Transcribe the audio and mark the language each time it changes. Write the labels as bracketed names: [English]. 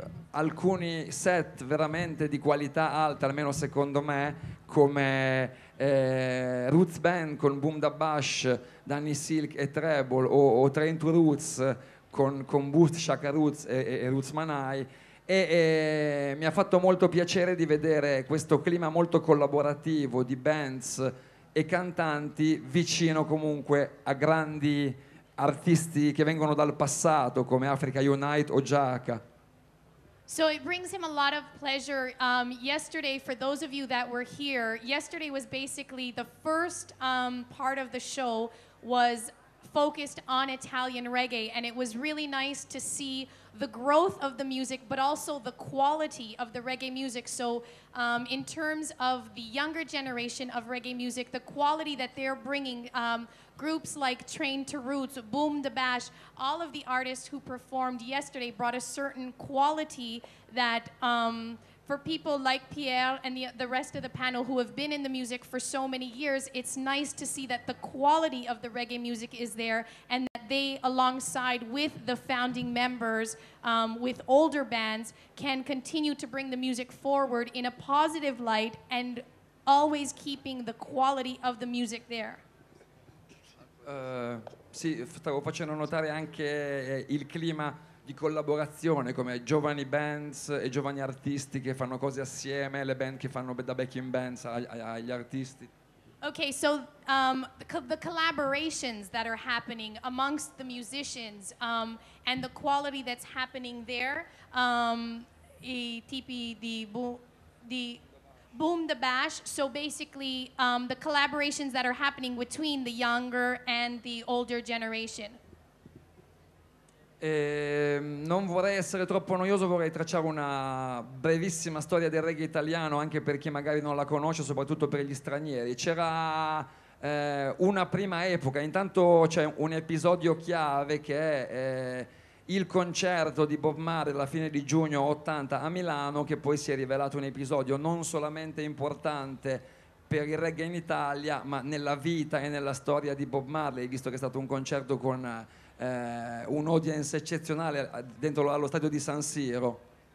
[Italian] alcuni set veramente di qualità alta, almeno secondo me, come Roots Band con Boom Da Bash, Danny Silk e Treble, o Train to Roots con Boost, Shaka Roots e Roots Manai, e mi ha fatto molto piacere di vedere questo clima molto collaborativo di bands e cantanti vicino comunque a grandi artisti che vengono dal passato come Africa Unite o Jaka. [English] So it brings him a lot of pleasure. Yesterday, for those of you that were here, yesterday was basically the first part of the show was focused on Italian reggae, and it was really nice to see the growth of the music, but also the quality of the reggae music. So in terms of the younger generation of reggae music, the quality that they're bringing, groups like Train to Roots, Boom Da Bash, all of the artists who performed yesterday brought a certain quality that for people like Pierre and the rest of the panel who have been in the music for so many years, it's nice to see that the quality of the reggae music is there, and that they, alongside with the founding members, with older bands, can continue to bring the music forward in a positive light and always keeping the quality of the music there. [Italian] Sì, stavo facendo notare anche il clima di collaborazione, come giovani bands e giovani artisti che fanno cose assieme, le band che fanno da backing bands agli artisti. [English] Okay, so the collaborations that are happening amongst the musicians and the quality that's happening there, [Italian] i tipi di [English] Boom the Bash. So basically, the collaborations that are happening between the younger and the older generation. [Italian] Non vorrei essere troppo noioso, vorrei tracciare una brevissima storia del reggae italiano anche per chi magari non la conosce, soprattutto per gli stranieri. C'era una prima epoca, intanto c'è un episodio chiave che è il concerto di Bob Marley alla fine di giugno 80 a Milano, che poi si è rivelato un episodio non solamente importante per il reggae in Italia, ma nella vita e nella storia di Bob Marley, visto che è stato un concerto con un audience eccezionale dentro allo stadio di San Siro.